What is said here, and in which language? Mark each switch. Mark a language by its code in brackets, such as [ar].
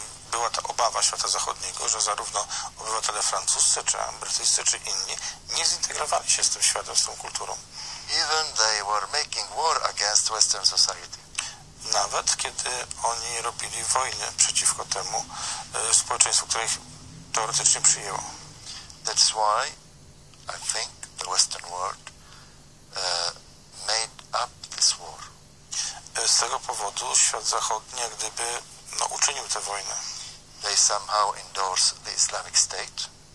[pl] była ta obawa świata zachodniego, że zarówno obywatele francuscy, czy brytyjscy, czy inni nie zintegrowali się z tym światem, z tą kulturą. [en] Even they were making war against Western society. [pl] Nawet kiedy oni robili wojnę przeciwko temu społeczeństwu, które ich teoretycznie przyjęło. [en] That's why I think the Western world made up this war. [pl] Z tego powodu świat zachodni jak gdyby uczynił tę wojnę. [en] They somehow endorse the Islamic State.